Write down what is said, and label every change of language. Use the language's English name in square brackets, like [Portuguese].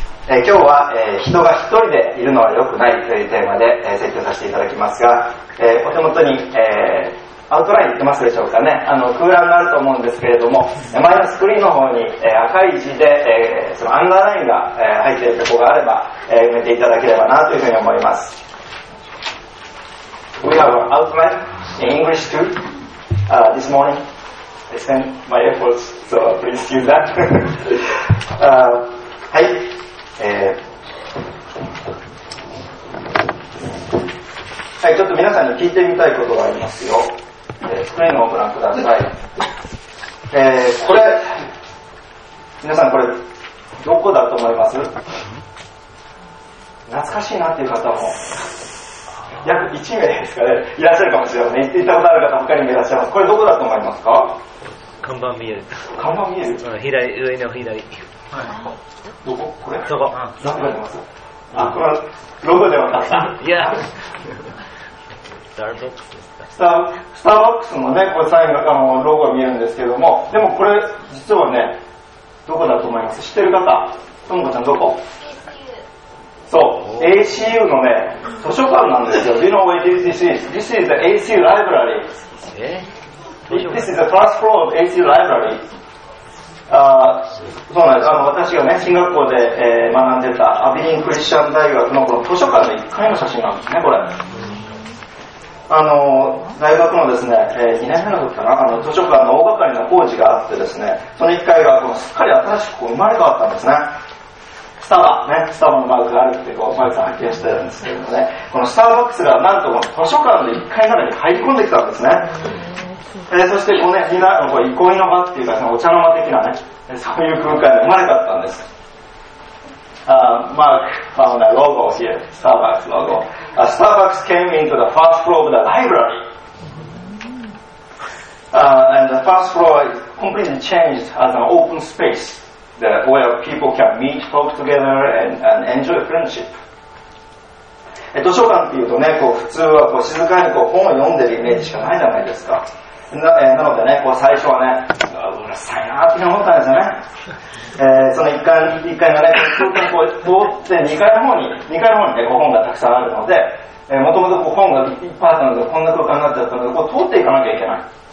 [Japanese] 今日は人が一人でいるのは良くないというテーマで説教させていただきますが、お手元に、アウトライン言ってますでしょうかね。空欄があると思うんですけれども、前のスクリーンの方に、赤い字で、そのアンダーラインが、入っているところがあれば、埋めていただければなというふうに思います。 [English] We have an outline in English too, this morning. I spent my efforts, so please use that. [Japanese] はい。はい、ちょっと皆さんに聞いてみたいことがありますよ。スクリーンをご覧ください。これ皆さん、これどこだと思います？懐かしいなっていう方も約1名ですかね、いらっしゃるかもしれません。行ったことある方他にもいらっしゃいます。これどこだと思いますか？看板見える。看板見える、うん、左上の左、はい、どこ、これどこ、何があります？あ、これはロゴではなくいやスターバックスのね、これサインがロゴが見えるんですけども、でもこれ実はね、どこだと思います？知ってる方、トモコちゃんどこ？ ACU。そう、 ACU のね、図書館なんですよ。 [English] Do you know where this is? This is the ACU library. This is the first floor of ACU library. [Japanese] そうなんです。私がね、進学校で、学んでたアビリンクリスチャン大学のこの図書館の1階の写真なんですね、これ。大学のですね、2年目の時かな、図書館の大掛かりな工事があってですね、その1階がこうすっかり新しくこう生まれ変わったんですね。スタバね、スタバのマークがあるってこうマークさん発見してるんですけどね、このスターバックスがなんと図書館の1階までに入り込んできたんですね。そしてこうね、みんなのこう憩いの場っていうか、そのお茶の間的なね、そういう空間で生まれ変わったんです。マーク、ロゴ、スターバックスロゴ。 [English] スターバックス came into the first floor of the library. And the first floor completely changed as an open space where people can meet, talk together, and enjoy friendship. [Japanese] 図書館っていうとね、こう普通はこう静かにこう本を読んでるイメージしかないじゃないですか。なのでね、こう最初はね、うるさいなって思ったんですよね。その1階がね、空間を通って2階の方にね、こう本がたくさんあるので、もともと本がいっぱいあったので、こんな空間になっちゃったので、こう通っていかなきゃいけない。